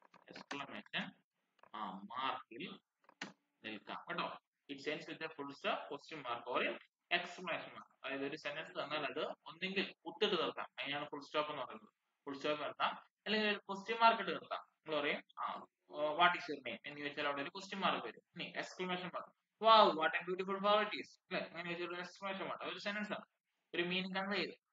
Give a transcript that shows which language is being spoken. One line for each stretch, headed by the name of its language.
Malayalam: exclamation മാർക്കിൽ നിൽക്കാം കേട്ടോ.
English: it ends with a full stop, question mark or explanation mark.
Malayalam: അതായത് ഒരു സെന്റൻസ് തന്നാൽ അത് ഒന്നെങ്കിൽ ഉത്തിട്ട് നിർത്താം, അതിനാണ് ഫുൾ സ്റ്റോപ്പ് എന്ന് പറയുന്നത്. ഫുൾ സ്റ്റോപ്പ് നിർത്താം, അല്ലെങ്കിൽ ക്വസ്റ്റ്യൻ മാർക്ക് ഇട്ട് നിർത്താം. നിങ്ങൾ പറയും
English: what is your name
Malayalam: എന്ന് ചോദിച്ചാൽ അവിടെ ഒരു ക്വസ്റ്റ്യൻ മാർക്ക് വരും, exclamation mark,
English: wow what a beautiful qualities
Malayalam: അല്ലേ, അങ്ങനെ ചോദിച്ചൊരു എക്സ്ക്ലമേഷൻ മാർക്ക്, ഒരു സെന്റൻസ് ആണ്, ഒരു മീനിങ് കൺവേ ചെയ്ത്.